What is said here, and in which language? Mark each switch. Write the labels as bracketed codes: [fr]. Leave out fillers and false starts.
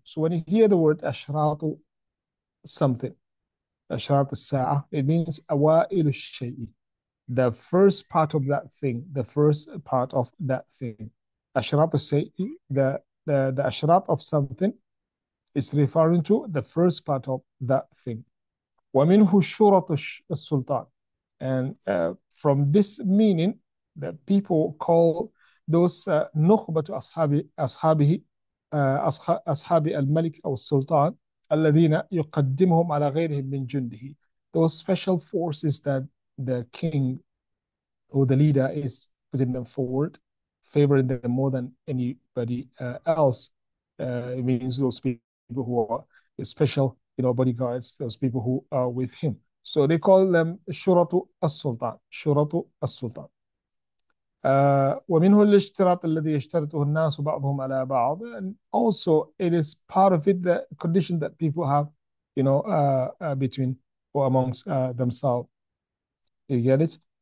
[en] So when you hear the word أشراط something, أشراط الساعة, it means أوائل الشيء. The first part of that thing, the first part of that thing. أشراط الشيء, the أشراط of something is referring to the first part of that thing. [ar] ومنه شرط السلطان. And from this meaning, the people call those نخبة أصحابه أصحاب الملك أو السلطان الذين يقدمهم على غيرهم من جنده. [en] Those special forces that the king or the leader is putting them forward, favoring them more than anybody else. It means those people who are special, you know, bodyguards, those people who are with him. So they call them شرط السلطان. [ar] شرط السلطان. ومنه الاشتراط الذي يشترطه الناس بعضهم على بعض. [en] And also it is part of it, the condition that people have, you know, between or amongst themselves. You get it?